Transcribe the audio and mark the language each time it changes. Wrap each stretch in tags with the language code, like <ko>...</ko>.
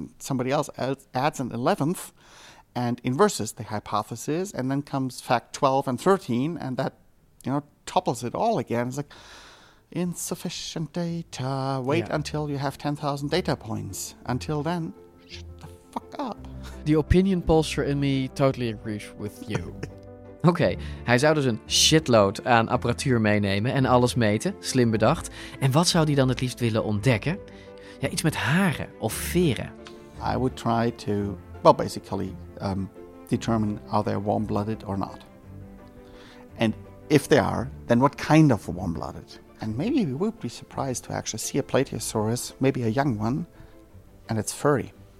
<en>Somebody else adds an 11th and inverses the hypothesis, and then comes fact 12 and 13, and that, you know, topples it all again. It's like insufficient data. Wait, yeah. Until you have 10,000 data points. Until then, shut the fuck up. The opinion pollster in me totally agrees with you.</en> <nl>Oké, hij zou dus een shitload aan apparatuur meenemen en alles meten, slim bedacht. En wat zou hij dan het liefst willen ontdekken? Ja, iets met haren of veren.</nl> <en>I would try to, well, basically determine are they warm-blooded or not. And if they are, then what kind of warm-blooded? And maybe we would be surprised to actually see a plateosaurus, maybe a young one, and it's furry.</en>